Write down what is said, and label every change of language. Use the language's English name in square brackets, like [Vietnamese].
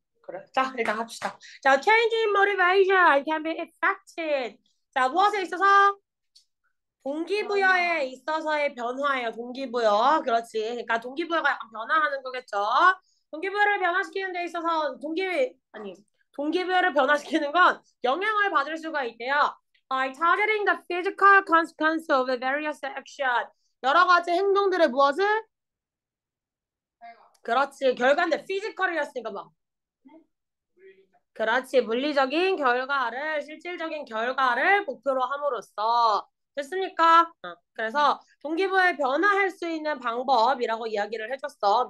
[Korean] 그래. 자 일단 합시다. 자 [English] changing motivation can be affected. [Korean] 자 무엇에 있어서? 동기부여에 있어서의 변화예요. 동기부여. 그렇지. 그러니까 동기부여가 약간 변화하는 거겠죠. 동기부여를 변화시키는 데 있어서 아니 동기부여를 변화시키는 건 영향을 받을 수가 있대요. [English] By targeting the physical consequence of the various action. [Korean] 여러 가지 행동들의 무엇을? 그렇지. 결과인데 피지컬이었으니까 뭐. 그렇지. 물리적인 결과를, 실질적인 결과를 목표로 함으로써. 됐습니까? 그래서 동기부여에 변화할 수 있는 방법이라고 이야기를 해줬어.